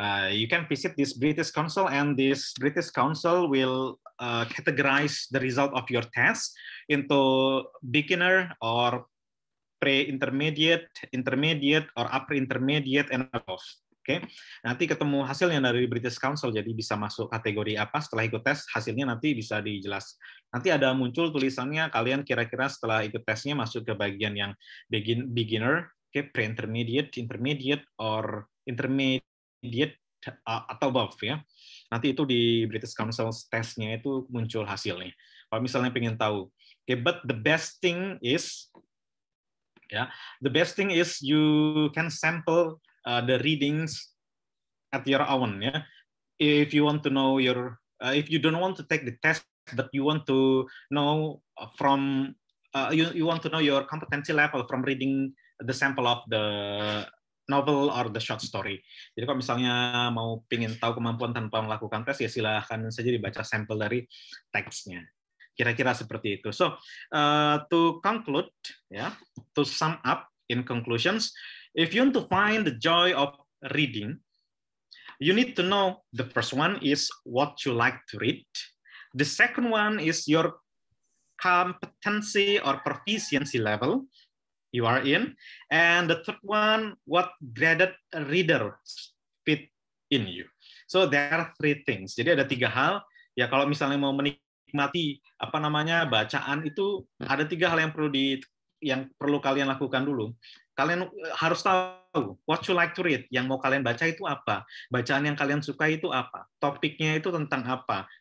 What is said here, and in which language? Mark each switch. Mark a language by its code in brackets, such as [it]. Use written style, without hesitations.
[en] You can visit this British Council, and this British Council will categorize the result of your test into beginner or pre-intermediate, intermediate, or upper intermediate and above. Okay. [id] Nanti ketemu hasilnya dari British Council, jadi bisa masuk kategori apa setelah ikut tes, hasilnya nanti bisa dijelas. Nanti ada muncul tulisannya, kalian kira-kira setelah ikut tesnya masuk ke bagian yang beginner, okay, [en] pre-intermediate, intermediate, or intermediate, [id] atau above. Ya. Nanti itu di British Council tesnya itu muncul hasilnya. Kalau misalnya pengen tahu. [en] Okay, but the best thing is, yeah, the best thing is you can sample the readings at your own. Yeah, if you want to know your, if you don't want to take the test, but you want to know from, you want to know your competency level from reading the sample of the novel or the short story. [id] Jadi kalau misalnya mau pingin tahu kemampuan tanpa melakukan tes, ya silahkan saja dibaca sample dari teksnya. Kira-kira seperti itu. [en] So, to conclude, yeah, to sum up in conclusions, if you want to find the joy of reading, you need to know the first one is what you like to read. The second one is your competency or proficiency level you are in. And the third one, what graded readers fit in you. So there are three things. [id] Jadi ada tiga hal. Ya kalau misalnya mau menikmati apa namanya bacaan itu, ada tiga hal yang perlu kalian lakukan dulu. Kalian harus tahu [en] what you like to read, [id] yang mau kalian baca itu apa, bacaan yang kalian suka itu apa, topiknya itu tentang apa.